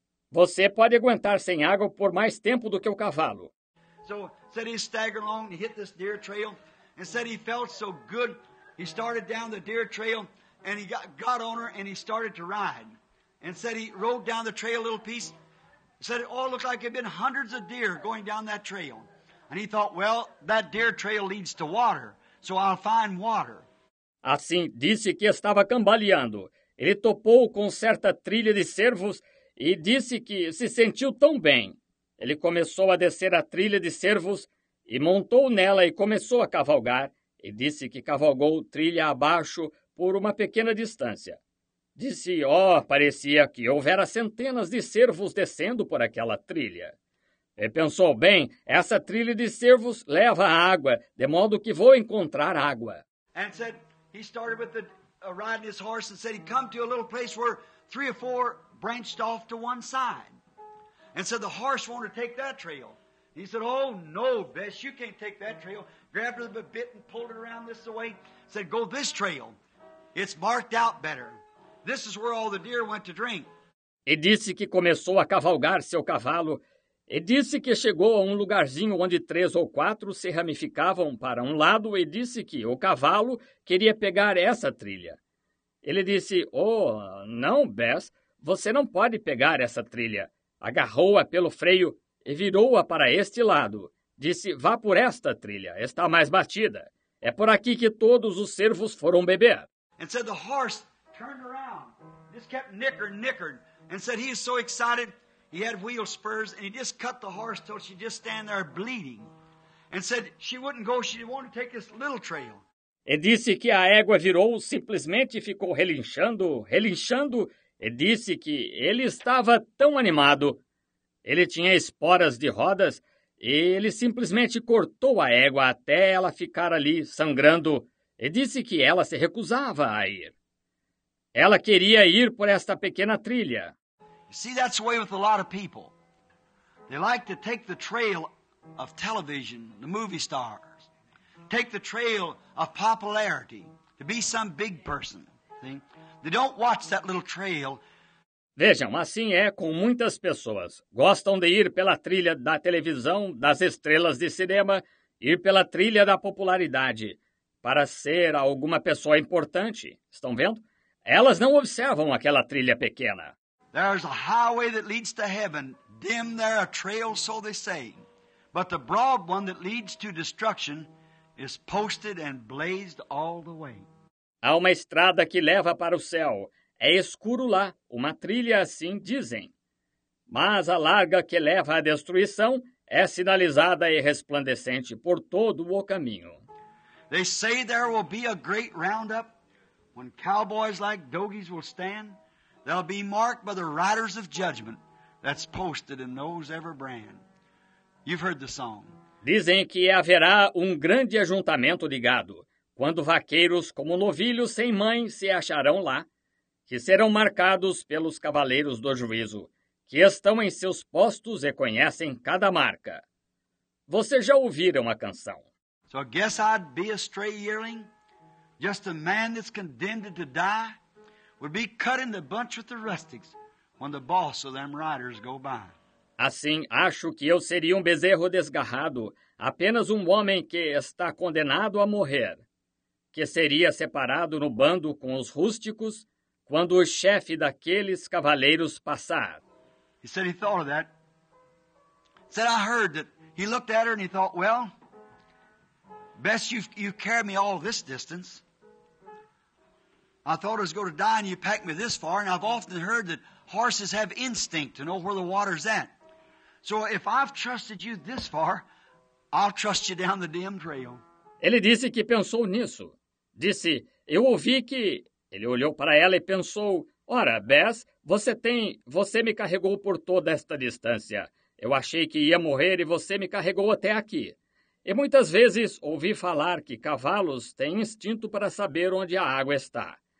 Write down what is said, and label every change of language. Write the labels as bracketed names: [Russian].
[Portuguese] Você pode aguentar sem água por mais tempo do que o cavalo. [English] So, said he staggered along and hit this deer trail. And said he felt so good, he started down the deer trail. And he got on her and he started to ride. And said he rode down the trail a little piece. Said it all looked like it had been hundreds of deer going down that trail. And he thought, well, that deer trail leads to water, so I'll find water. [Portuguese] Assim, disse que estava cambaleando. Ele topou com certa trilha de cervos e disse que se sentiu tão bem. Ele começou a descer a trilha de cervos e montou nela e começou a cavalgar. E disse que cavalgou trilha abaixo por uma pequena distância. Disse, oh, parecia que houvera centenas de cervos descendo por aquela trilha. E pensou, bem, essa trilha de cervos leva a água, de modo que vou encontrar água. [English] And said, he started with the riding his horse and said he come to a little place where 3 or 4 branched off to one side. And said the horse wanted to take that trail. He said, oh no, Bess, you can't take that trail. Grabbed her a bit and pulled it around this way. Said, go this trail. It's marked out better. This is where all the deer went to drink. [Portuguese] E disse que começou a cavalgar seu cavalo. E disse que chegou a um lugarzinho onde três ou quatro se ramificavam para um lado. E disse que o cavalo queria pegar essa trilha. Ele disse, oh, não, Bess, você não pode pegar essa trilha. Agarrou-a pelo freio e virou-a para este lado. Disse, vá por esta trilha, está mais batida. É por aqui que todos os cervos foram beber. [English] And said the horse turned around, just kept nickering, and said he was so excited, he had wheel spurs, and he just cut the horse till she just stand there bleeding. And said she wouldn't go, she wanted to take this little trail. [Portuguese] E disse que a égua virou, simplesmente ficou relinchando, e disse que ele estava tão animado. Ele tinha esporas de rodas, e ele simplesmente cortou a égua até ela ficar ali sangrando, e disse que ela se recusava a ir. Ela queria ir por esta pequena trilha. [English] See, that's the way with a lot of people. They like to take the trail of television, the movie star. Take the trail of popularity, to be some big person. See? They don't watch that little trail. [Portuguese] Vejam, assim é com muitas pessoas. Gostam de ir pela trilha da televisão, das estrelas de cinema, ir pela trilha da popularidade, para ser alguma pessoa importante. Estão vendo? Elas não observam aquela trilha pequena. [English] There's a highway that leads to heaven, dim there a trail, so they say. But the broad one that leads to destruction is posted and blazed all the way. [Portuguese] Há uma estrada que leva para o céu. É escuro lá, uma trilha assim, dizem. Mas a larga que leva à destruição é sinalizada e resplandecente por todo o caminho. [English] They say there will be a great roundup when cowboys like dogies will stand. They'll be marked by the riders of judgment that's posted in those ever brand. You've heard the song. [Portuguese] Dizem que haverá um grande ajuntamento de gado, quando vaqueiros como novilhos sem mãe se acharão lá, que serão marcados pelos cavaleiros do juízo, que estão em seus postos e conhecem cada marca. Vocês já ouviram a canção? [English] So I guess I'd be a stray yearling, just a man that's condemned to die, would be cut in the bunch with the rustics when the boss of them riders go by. [Portuguese] Assim, acho que eu seria um bezerro desgarrado, apenas um homem que está condenado a morrer, que seria separado no bando com os rústicos quando o chefe daqueles cavaleiros passar. [English] He said he thought of that. He said, I heard that. He looked at her and he thought, well, best you carried me all this distance. I thought I was going to die and you packed me this far, and I've often heard that horses have instinct to know where the water's at. So if I've trusted you this far, I'll trust you down the dim trail. [Portuguese] Ele disse que pensou nisso. Disse, eu ouvi que... Ele olhou para ela e pensou, ora, Bess, você me carregou por toda esta distância. Eu achei que ia morrer e você me carregou até aqui. E muitas vezes ouvi falar que cavalos têm instinto para saber onde a água está.